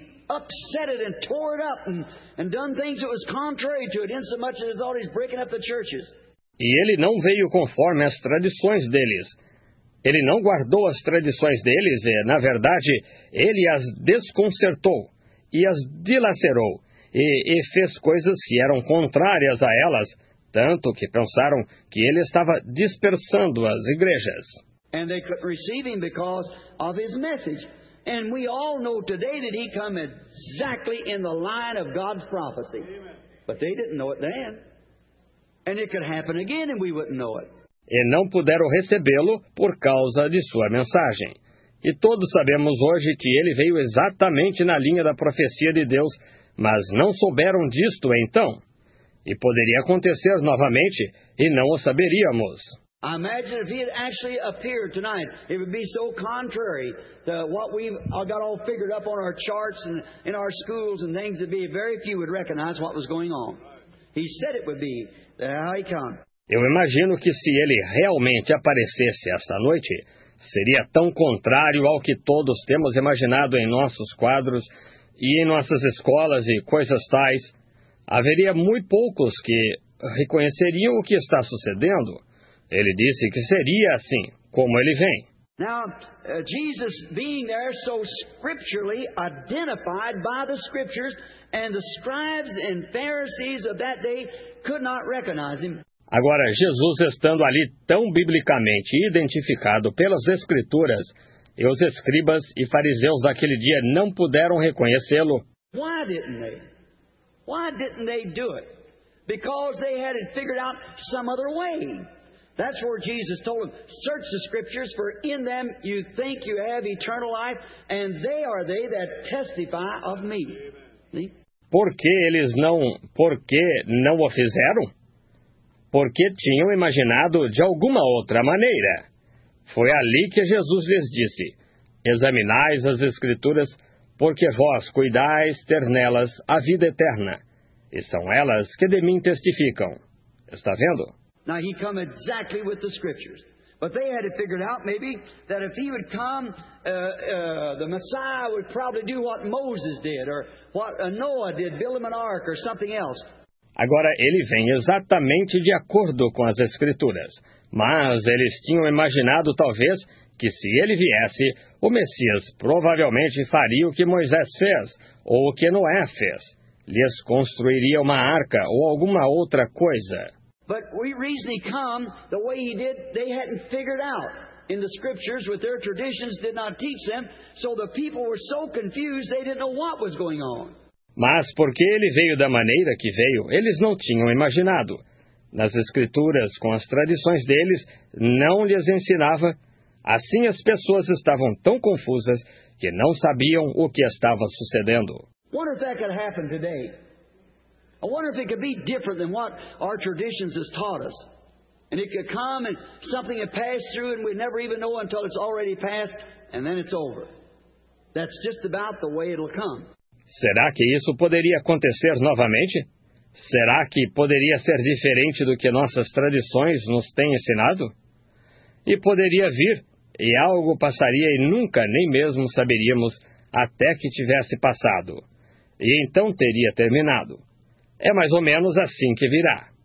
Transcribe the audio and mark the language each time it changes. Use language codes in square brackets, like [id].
[en] Upset it and tore it up and done things that was contrary to it, in so much that he thought he's breaking up the churches. [pt] E ele não veio conforme as tradições deles. Ele não guardou as tradições deles e, na verdade, ele as desconcertou e as dilacerou e fez coisas que eram contrárias a elas, tanto que pensaram que ele estava dispersando as igrejas. [en] And they couldn't receive him because of his message. And we all know today that he come exactly in the line of God's prophecy. But they didn't know it then. And it could happen again and we wouldn't know it. [pt] E não puderam recebê-lo por causa de sua mensagem. E todos sabemos hoje que ele veio exatamente na linha da profecia de Deus, mas não souberam disto então. E poderia acontecer novamente e não o saberíamos. [en] I imagine if he had actually appeared tonight, it would be so contrary to what we've got all figured up on our charts and in our schools and things, that be very few would recognize what was going on. He said it would be. How he come. [pt] Eu imagino que se ele realmente aparecesse esta noite, seria tão contrário ao que todos temos imaginado em nossos quadros e em nossas escolas e coisas tais. Haveria muito poucos que reconheceriam o que está sucedendo. Ele disse que seria assim, como ele vem. [en] Now, Jesus being there so scripturally identified by the scriptures, and the scribes and Pharisees of that day could not recognize him. [pt] Agora, Jesus estando ali tão biblicamente identificado pelas escrituras, e os escribas e fariseus daquele dia não puderam reconhecê-lo. [en] Why didn't they? Why didn't they do it? Because they had it figured out some other way. That's where Jesus told them, search the scriptures, for in them you think you have eternal life, and they are they that testify of me. [pt] Por que não o fizeram? Porque tinham imaginado de alguma outra maneira. Foi ali que Jesus lhes disse, examinais as escrituras, porque vós cuidais ter nelas a vida eterna, e são elas que de mim testificam. Está vendo? [en] Now he come exactly with the scriptures. But they had it figured out maybe that if he would come, the Messiah would probably do what Moses did or what Noah did, build him an ark or something else. [pt] Agora ele vem exatamente de acordo com as escrituras. Mas eles tinham imaginado talvez que se ele viesse, o Messias provavelmente faria o que Moisés fez ou o que Noé fez. Lhes construiria uma arca ou alguma outra coisa. [en] But the reason he come the way he did, they hadn't figured out in the scriptures with their traditions did not teach them, so the people were so confused they didn't know what was going on. [pt] Mas porque ele veio da maneira que veio, eles não tinham imaginado. Nas escrituras, com as tradições deles, não lhes ensinava. Assim as pessoas estavam tão confusas que não sabiam o que estava sucedendo. [en] What if that could happen today? I wonder if it could be different than what our traditions has taught us. And it could come and something had passed through and we never even know until it's already passed and then it's over. That's just about the way it'll come. [pt] Será que isso poderia acontecer novamente? Será que poderia ser diferente do que nossas tradições nos têm ensinado? E poderia vir e algo passaria e nunca nem mesmo saberíamos até que tivesse passado. E então teria terminado. É mais ou menos assim que virá.